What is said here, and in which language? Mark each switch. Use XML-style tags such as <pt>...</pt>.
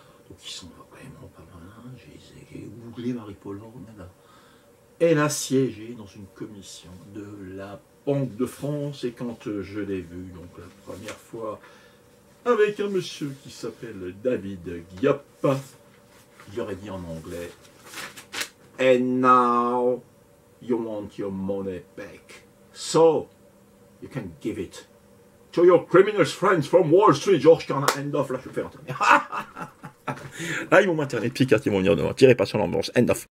<fr>Donc, ils sont vraiment pas malins. J'ai googlé Marie-Paul Horn. Elle a siégé dans une commission de la Banque de France. Et quand je l'ai vue, donc la première fois, avec un monsieur qui s'appelle David Giap, il aurait dit en anglais.</fr> <en>And now you want your money back. So you can give it to your criminal friends from Wall Street, George Carlin. End of.</en> <fr>Là, je vais faire un tour. Là, ils vont m'interner. Picard, ils vont venir demain. Tirez pas sur l'ambiance. End of.</fr>